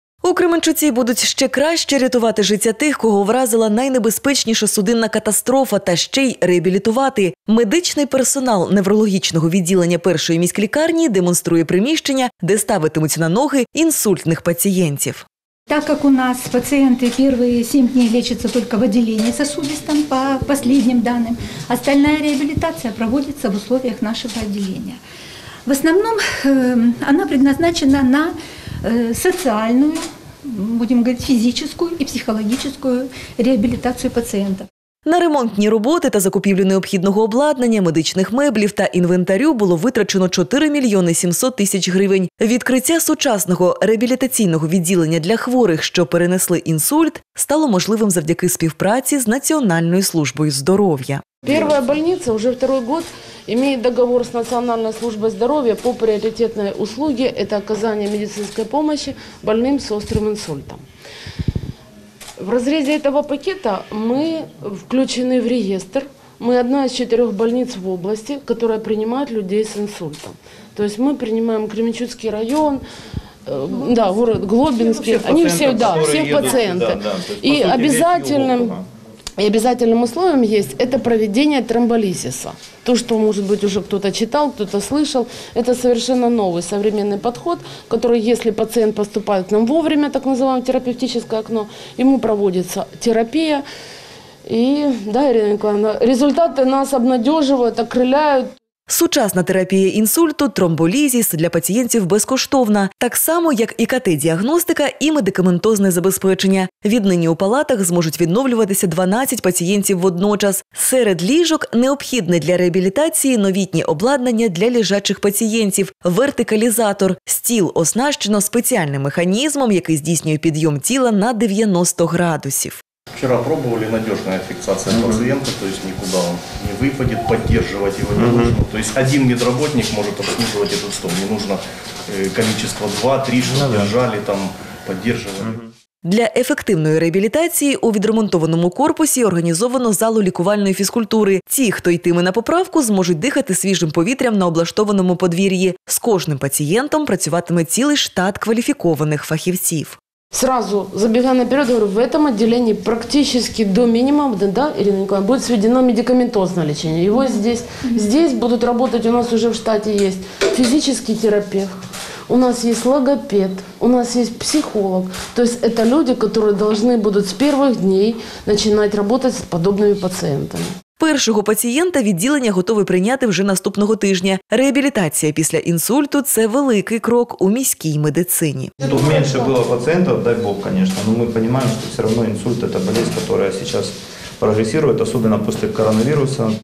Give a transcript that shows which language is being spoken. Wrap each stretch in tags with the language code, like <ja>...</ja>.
<uk>У Кременчуці будуть ще краще рятувати життя тих, кого вразила найнебезпечніша судинна катастрофа, та ще й реабілітувати. Медичний персонал неврологічного відділення першої міськлікарні демонструє приміщення, де ставитимуть на ноги інсультних пацієнтів.</uk> <ru>Так как у нас пациенты первые 7 дней лечатся только в отделении сосудистом, по последним данным, остальная реабилитация проводится в условиях нашего отделения. В основном она предназначена на социальную, будем говорить, физическую и психологическую реабилитацию пациентов.</ru> <uk>На ремонтні роботи та закупівлю необхідного обладнання, медичних меблів та інвентарю було витрачено 4 мільйони 700 тисяч гривень. Відкриття сучасного реабілітаційного відділення для хворих, що перенесли інсульт, стало можливим завдяки співпраці з Національною службою здоров'я. Перша лікарня вже другий рік має договор з Національною службою здоров'я по пріоритетній услузі – це оказання медичної допомоги хворим з острим інсультом.</uk> <ru>В разрезе этого пакета мы включены в реестр. Мы одна из четырех больниц в области, которая принимает людей с инсультом. То есть мы принимаем Кременчуцкий район, да, город Глобинский. Они все, да, все пациенты. Едут, да, да. И обязательным И обязательным условием есть это проведение тромболизиса. То, что, может быть, уже кто-то читал, кто-то слышал, это совершенно новый современный подход, который, если пациент поступает к нам вовремя, так называемое терапевтическое окно, ему проводится терапия. И, да, Ирина Николаевна, результаты нас обнадеживают, окрыляют.</ru> <uk>Сучасна терапія інсульту, тромболізіс для пацієнтів безкоштовна. Так само, як і КТ-діагностика і медикаментозне забезпечення. Віднині у палатах зможуть відновлюватися 12 пацієнтів водночас. Серед ліжок необхідне для реабілітації новітні обладнання для лежачих пацієнтів – вертикалізатор. Стіл оснащено спеціальним механізмом, який здійснює підйом тіла на 90 градусів.</uk> <ru>Вчера пробовали, надежная фиксация пациента, то есть никуда он не выпадет, поддерживать его не нужно. То есть один медработник может обслуживать этот стол, не нужно количество 2-3, чтобы держали там, поддерживали.</ru> <uk>Для ефективної реабілітації у відремонтованому корпусі організовано залу лікувальної фізкультури. Ті, хто йтиме на поправку, зможуть дихати свіжим повітрям на облаштованому подвір'ї. З кожним пацієнтом працюватиме цілий штат кваліфікованих фахівців.</uk> <ru>Сразу забегая наперед, говорю, в этом отделении практически до минимума, да, Ирина Николаевна, будет сведено медикаментозное лечение. Его здесь будут работать, у нас уже в штате есть физический терапевт, у нас есть логопед, у нас есть психолог. То есть это люди, которые должны будут с первых дней начинать работать с подобными пациентами.</ru> <uk>Першого пацієнта відділення готове прийняти вже наступного тижня. Реабілітація після інсульту – це великий крок у міській медицині. Тут менше було пацієнтів, дай Бог, звісно, але ми розуміємо, що все одно інсульт – це болезнь, яка зараз прогресує, особливо після коронавірусу.</uk>